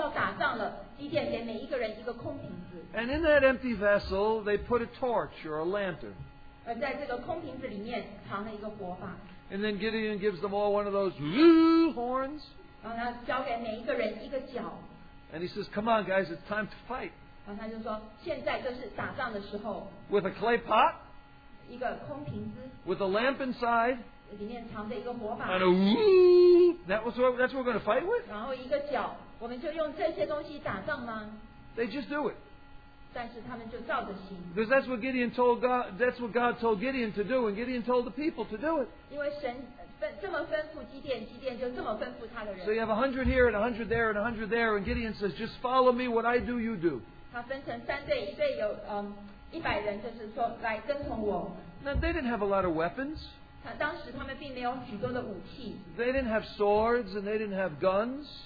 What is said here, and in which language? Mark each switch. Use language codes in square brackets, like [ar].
[zh] 这真的很有意思，因为过去昨天和今天我们就讲到一个器皿必须被倒空，而现在要打仗了，基甸给每一个人一个空瓶子。 [en] And in that empty vessel, they put a torch or a lantern. [zh] 而在这个空瓶子里面藏了一个火把。 [en] And then Gideon gives them all one of those horns. [zh] 然后他交给每一个人一个角。 [en] And he says, "Come on, guys, it's time to fight." [zh] 然后他就说，现在就是打仗的时候。 [en] With a clay pot. [zh] 一个空瓶子, [en] with a lamp inside, [zh] 里面藏着一个火把, [en] and a whoop, that's what we're going to fight with? [zh] 然后一个脚, 我们就用这些东西打仗吗? [en] They just do it. [zh] 但是他们就照着行, [en] because that's what Gideon told God, that's what God told Gideon to do, and Gideon told the people to do it. [zh] 因为神这么吩咐基甸, [en] so you have 100 here and 100 there and 100 there, and Gideon says, "Just follow me, what I do, you do." [zh] 他分成三队，一队有, 100人就是说来跟从我。 [en] Now, they didn't have a lot of weapons. [zh] 当时他们并没有许多的武器。 [en] They didn't have swords and they didn't have guns.